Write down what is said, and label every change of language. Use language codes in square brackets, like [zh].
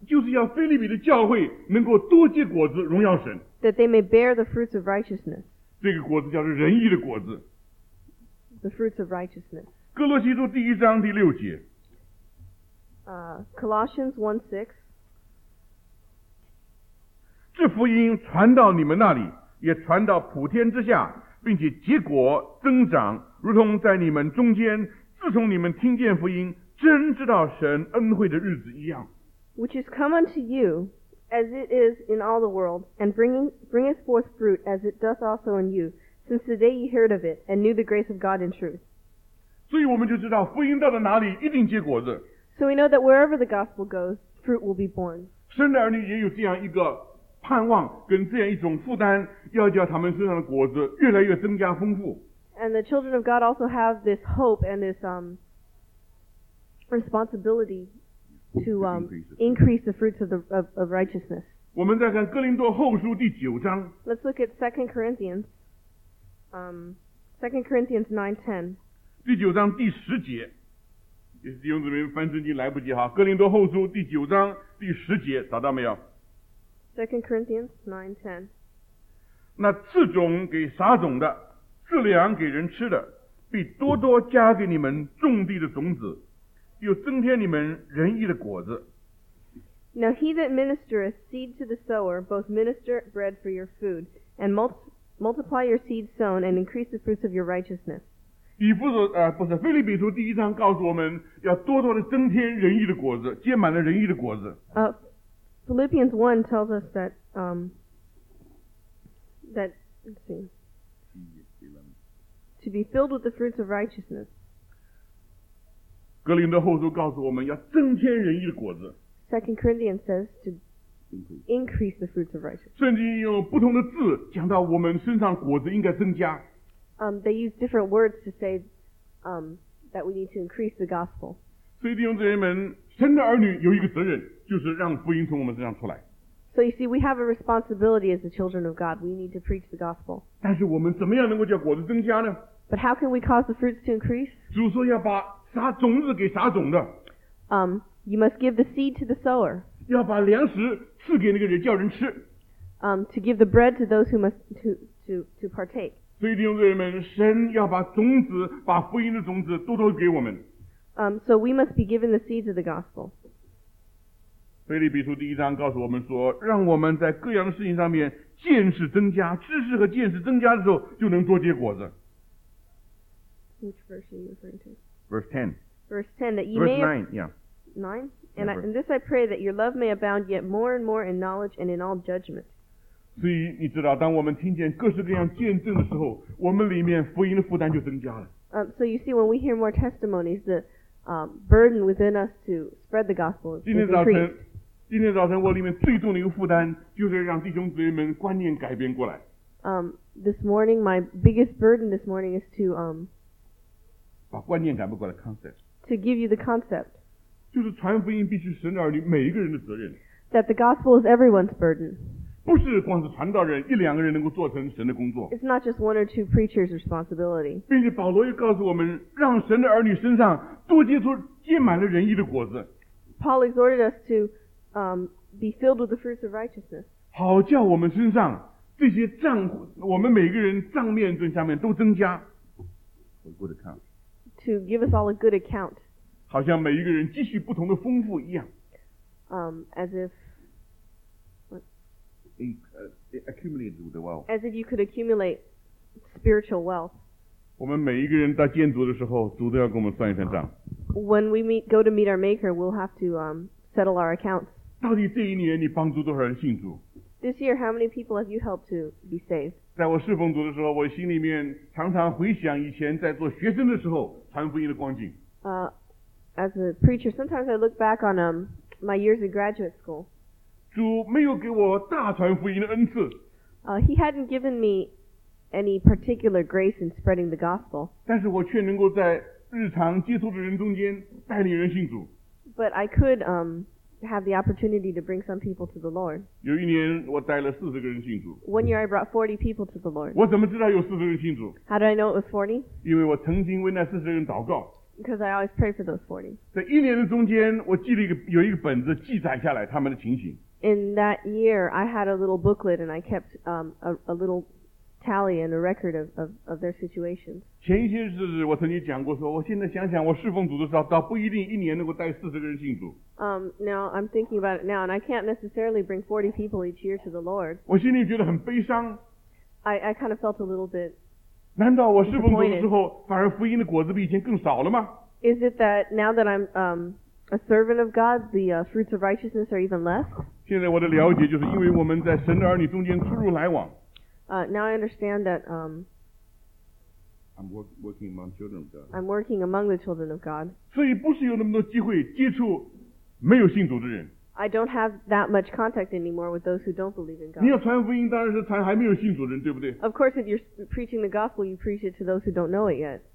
[zh] 就是要腓立比的教会能够多结果子，荣耀神。 [en] That they may bear the fruits of righteousness. [zh] 这个果子叫做仁义的果子。 [en] The fruits of righteousness. [zh] 哥罗西书第一章第六节。 [en] Colossians 1:6. [zh] 这福音传到你们那里，也传到普天之下，并且结果增长，如同在你们中间，自从你们听见福音，真知道神恩惠的日子一样。 [en] Which is come unto you, as it is in all the world, and bringeth forth fruit, as it doth also in you, since the day ye heard of it, and knew the grace of God in truth. [zh] 所以我们就知道福音到了哪里，一定结果子。 [en] So we know that wherever the gospel goes, fruit will be born. [zh] 神的儿女也有这样一个盼望跟这样一种负担，要叫他们身上的果子越来越增加丰富。 [en] And the children of God also have this hope and this responsibility to increase the fruits of righteousness. [zh] 我们再看哥林多后书第九章。 [en] Let's look at 2 Corinthians. 2 Corinthians 9:10. [zh] 第九章第十节。也是弟兄姊妹翻圣经来不及哈，哥林多后书第九章第十节找到没有 [en] ？Second Corinthians 9:10。 [zh] 那赐种给撒种的，自粮给人吃的，必多多加给你们种地的种子，又增添你们仁义的果子。 [en] Now he that ministereth seed to the sower, both minister bread for your food, and multiply your seed sown, and increase the fruits of your righteousness. [zh] 腓立比书第一章告诉我们要多多的增添仁义的果子，结满了仁义的果子。 [en] Philippians 1 tells us that that, let's see, to be filled with the fruits of righteousness. [zh] 格林德后书告诉我们要增添仁义的果子。 [en] 2 Corinthians says to increase the fruits of righteousness. [zh] 圣经用不同的字讲到我们身上果子应该增加。 [en] They use different words to say that we need to increase the gospel. [zh] 所以弟兄姊妹们，神的儿女有一个责任，就是让福音从我们身上出来。 [en] So you see, we have a responsibility as the children of God. We need to preach the gospel. [zh] 但是我们怎么样能够叫果子增加呢？ [en] But how can we cause the fruits to increase? [zh] 主说要把撒种子给撒种的。 [en] You must give the seed to the sower. [zh] 要把粮食赐给那个人叫人吃。 [en] To give the bread to those who must to partake. [zh] 所以弟兄姊妹们，神要把种子，把福音的种子多多给我们。 [en] So we must be given the seeds of the gospel. [zh] 腓立比书第一章告诉我们说，让我们在各样的事情上面见识增加，知识和见识增加的时候，就能多结果子。 [en] Which verse are you referring to? Verse 10. Verse 10, that you verse may... Verse 9, yeah. 9? And, yeah, I, and this I pray that your love may abound yet more and more in knowledge and in all judgment. [zh] 所以你知道，当我们听见各式各样见证的时候，我们里面福音的负担就增加了。 [en] So you see, when we hear more testimonies, the burden within us to spread the gospel is increased. [zh] 今天早晨我里面最重的一个负担就是让弟兄姊妹们观念改变过来。 [en] This morning, my biggest burden this morning is to [zh] 把观念改变过来 concept. [en] To give you the concept. [zh] 就是传福音必须神儿女每一个人的责任。 [en] That the gospel is everyone's burden. [zh] 不是光是传道人一两个人能够做成神的工作。 [en] It's not just one or two preachers' responsibility. [zh] 并且保罗又告诉我们，让神的儿女身上多结出结满了仁义的果子。 [en] Paul exhorted us to be filled with the fruits of righteousness. [zh] 好叫我们身上这些账，我们每个人账面这下面都增加。 [en] A good account. To give us all a good account. [zh] 好像每一个人积蓄不同的丰富一样。 [en] As if accumulated the wealth. As if you could accumulate spiritual wealth. [zh] 我们每一个人到见主的时候，主都要跟我们算一算账。 [en] When we meet, go to meet our Maker, we'll have to settle our accounts. [zh] 到底这一年你帮助多少人信主？ [en] This year, how many people have you helped to be saved? [zh] 在我侍奉主的时候，我心里面常常回想以前在做学生的时候传福音的光景。 [en] As a preacher, sometimes I look back on my years in graduate school. [zh] 主没有给我大传福音的恩赐。 [en] He hadn't given me any particular grace in spreading the gospel. [zh] 但是我却能够在日常接触的人中间带领人信主。 [en] But I could have the opportunity to bring some people to the Lord. [zh] 有一年我带了40个人信主。 [en] One year I brought 40 people to the Lord. [zh] 我怎么知道有40人信主？ [en] How did I know it was 40? [zh] 因为我曾经为那40人祷告。 [en] Because I always pray for those 40. [zh] 在一年的中间，我记了一个有一个本子记载下来他们的情形。 [en] In that year, I had a little booklet and I kept a little tally and a record of their situations. [zh] 前一些日子我曾经讲过说，我现在想想我侍奉主的时候，倒不一定一年能够带40个人信主。 [en] Now I'm thinking about it now and I can't necessarily bring 40 people each year to the Lord. [zh] 我心里觉得很悲伤。 [en] I kind of felt a little bit disappointed. [zh] 难道我侍奉主的时候反而福音的果子比以前更少了吗？ [en] Is it that now that I'm a servant of God, the fruits of righteousness are even less? [zh] 现在我的了解就是因为我们在神的儿女中间出入来往。 [en] Now I understand that working among children of God. I'm working among the children of God. [zh] 所以不是有那么多机会接触没有信主的人。 [en] I don't have that much contact anymore with those who don't believe in God. [zh] 你要传福音当然是传还没有信主的人，对不对？ [en] Of course, if you're preaching the gospel, you preach it to those who don't know it yet.